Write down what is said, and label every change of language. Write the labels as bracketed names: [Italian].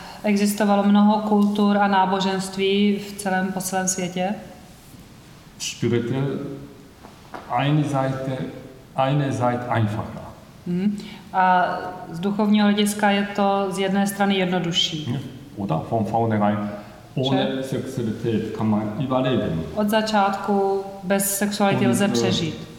[Czech] Existovalo mnoho kultur a náboženství v celém po celém světě. [German] Spirituell eine Seite einfacher. [Czech] A z duchovního hlediska je to z jedné strany jednodušší. [German] Oder von vornherein ohne Sexualität kann man überleben. [Czech] Od začátku bez sexuality lze přežít.